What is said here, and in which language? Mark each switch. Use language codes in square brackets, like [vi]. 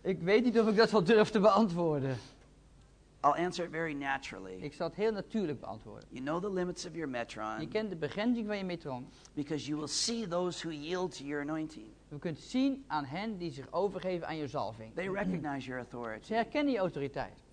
[nl] Ik weet niet of ik dat wel durf te beantwoorden. [en] I'll answer it very naturally. [nl] Ik zal het heel natuurlijk beantwoorden. [en] You know the limits of your metron. [nl] Je kent de begrenzing van je metron. [en] Because you will see those who yield to your anointing. [nl] We kunt zien aan hen die zich overgeven aan je zalving. [en] They recognize your authority. [nl] Ze herkennen je autoriteit.